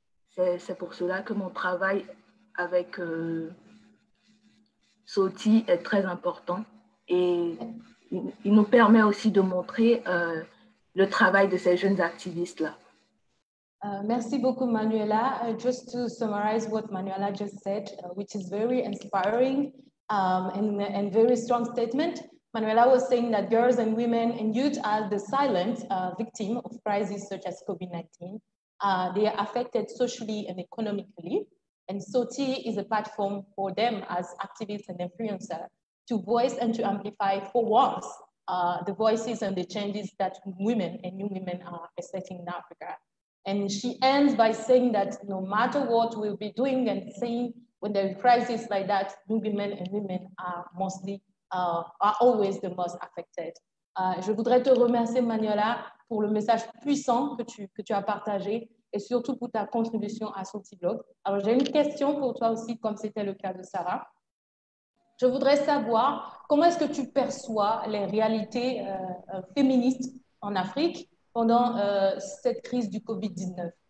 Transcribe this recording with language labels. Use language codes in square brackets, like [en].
[fr] C'est pour cela que mon travail avec Sauti est très important et il nous permet aussi de montrer le travail de ces jeunes activistes-là. Merci beaucoup, Manuela. [en] Just to summarize what Manuela just said, which is very inspiring and very strong statement. Manuela was saying that girls and women and youth are the silent victim of crises such as COVID-19. They are affected socially and economically. And Sauti is a platform for them as activists and influencers to voice and to amplify for once the voices and the changes that women and young women are expecting in Africa. And she ends by saying that no matter what we'll be doing and saying, when there are crises like that, young women and women are mostly are always the most affected. [fr] Je voudrais te remercier, Manuela, pour le message puissant que tu as partagé et surtout pour ta contribution à Sauti blog. Alors, j'ai une question pour toi aussi, comme c'était le cas de Sarah. Je voudrais savoir comment est-ce que tu perçois les réalités féministes en Afrique pendant cette crise du COVID-19?